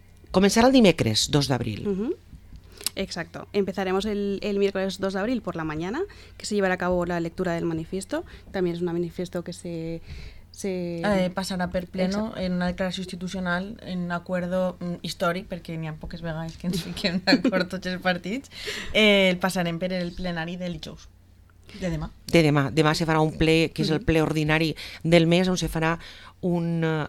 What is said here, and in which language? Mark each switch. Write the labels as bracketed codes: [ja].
[ca] Començarà el dimecres 2 d'abril. [es] Exacto. Empezaremos el miércoles 2 de abril por la mañana, que se llevará a cabo la lectura del manifiesto. También es un manifiesto que se pasará [ca] per pleno en una declaració institucional en un acuerdo històric, perquè n'hi ha poques vegades que ens fiquem d'acord tots els partits. El passarem per el plenari del dijous. De demà. De demà. Demà se farà un ple, que és el ple ordinari del mes, on se farà un...